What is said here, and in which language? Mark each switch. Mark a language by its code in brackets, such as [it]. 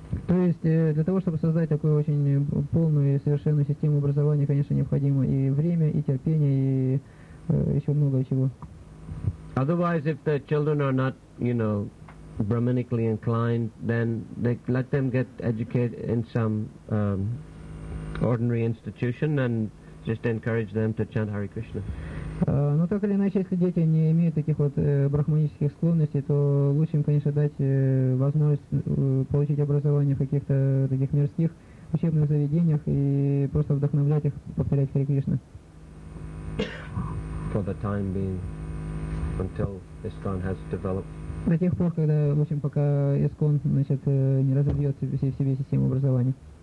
[ru] То есть для того, чтобы создать такую очень полную и совершенную систему образования, конечно, необходимо и время, и терпение, и еще много чего. [en] Otherwise, if the children are not, you know, brahminically inclined, then they let them get educated in some ordinary institution and just encourage them to chant Hare Krishna. [ru] Но так или иначе, если дети не имеют таких вот брахманических склонностей, то лучше им, конечно, дать возможность получить образование в каких-то таких мирских учебных заведениях и просто вдохновлять их повторять Хари Кришна. [en] For the time being, until ISKCON has developed. [ru] До тех пор, когда, в общем, пока ИСКОН, значит, не разобьет в себе систему образования.